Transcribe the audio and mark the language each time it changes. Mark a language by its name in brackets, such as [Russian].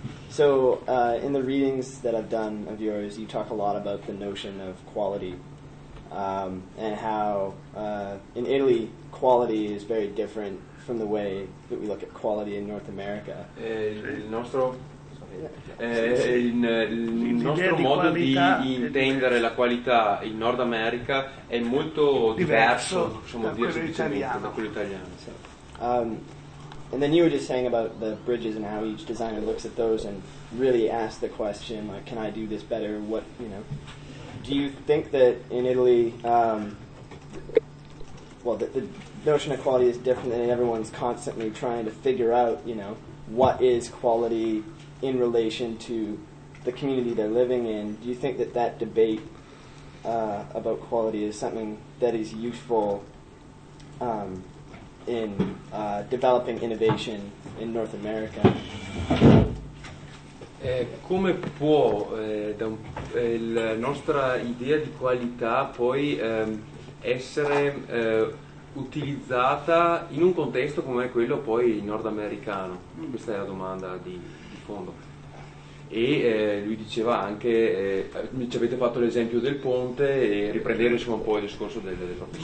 [English] So in the readings that I've done of yours, you talk a lot about the notion of quality, and how in Italy quality is very different from the way that we look at quality in North America. [Italian] Il nostro modo di intendere la qualità in Nord America è molto diverso, possiamo dire semplicemente, da quello italiano. [English] So, and then you were just saying about the bridges and how each designer looks at those and really asks the question, like, can I do this better? What, you know, do you think that in Italy, the notion of quality is different, and everyone's constantly trying to figure out, you know, what is quality in relation to the community they're living in? Do you think that debate about quality is something that is useful in developing innovation in North America? [Italian] Come può la nostra idea di qualità poi essere utilizzata in un contesto come quello poi nordamericano? Questa è la domanda di fondo. E lui diceva anche, ci avete fatto l'esempio del ponte, e riprendere insomma un po' il discorso delle professioni.